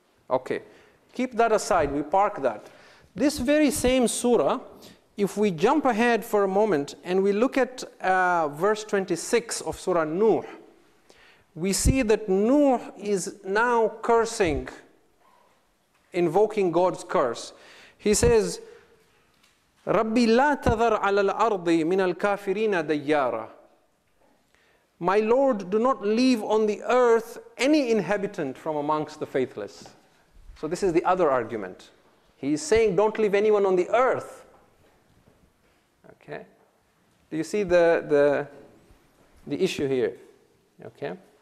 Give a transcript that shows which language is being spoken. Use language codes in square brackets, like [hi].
[en] Okay, keep that aside, we park that. This very same surah, if we jump ahead for a moment and we look at verse 26 of Surah Nuh, we see that Nuh is now cursing, invoking God's curse. He says, [ar] رَبِّ لَا تَذَرْ عَلَى الْأَرْضِ مِنَ الْكَافِرِينَ دَيَّارًا. [en] My Lord, do not leave on the earth any inhabitant from amongst the faithless. So this is the other argument. He is saying, don't leave anyone on the earth. Okay? Do you see the issue here? Okay?